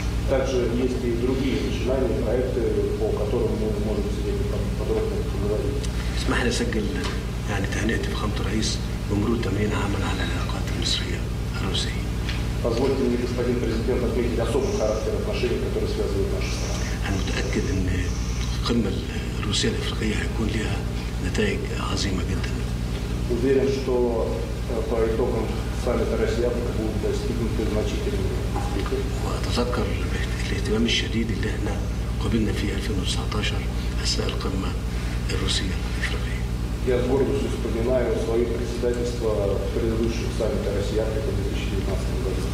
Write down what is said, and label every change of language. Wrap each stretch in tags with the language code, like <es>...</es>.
<ru>Также есть и другие начинания, проекты, по которым мы можем сегодня подробно поговорить.</ru> <ar>اسمح لي اسجل يعني تهنئتي بفخامة الرئيس بمرور 8 عاما على العلاقات المصرية الروسية.</ar> <ru>Позвольте мне, господин президент, отметить особый характер отношений, которые связывают наши страны.</ru> <ar>أنا متأكد أن قمة الروسية الأفريقية هيكون لها نتائج عظيمة جدا.</ar> <ru>Уверен, что по итогам саммита Россия-Африка будут достигнуты значительные успехи.</ru> <ar>وأتذكر الاهتمام الشديد اللي احنا قابلنا فيه 2019 أثناء القمة الروسية الأفريقية.</ar> <ru>Я с гордостью вспоминаю свое председательство в предыдущих саммитах Россия-Африка 2019 году.</ru>